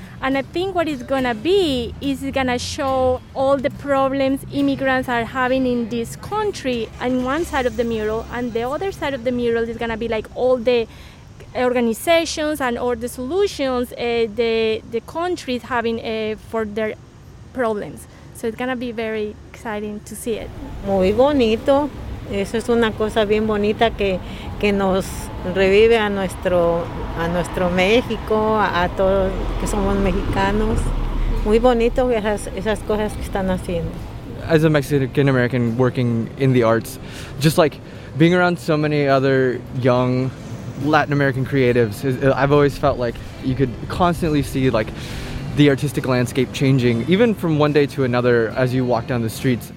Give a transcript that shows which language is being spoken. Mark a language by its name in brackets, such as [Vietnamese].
[English] And I think what it's gonna be is it's gonna show all the problems immigrants are having in this country on one side of the mural, and the other side of the mural is gonna be like all the organizations and all the solutions the country is having for their problems. So it's gonna be very exciting to see it. [Spanish] Muy bonito. Eso es una cosa bien bonita que nos revive a nuestro México, a todos que somos mexicanos. Muy bonito esas cosas que están haciendo. [English] As a Mexican American working in the arts, just like being around so many other young Latin American creatives, I've always felt like you could constantly see like the artistic landscape changing, even from one day to another as you walk down the streets.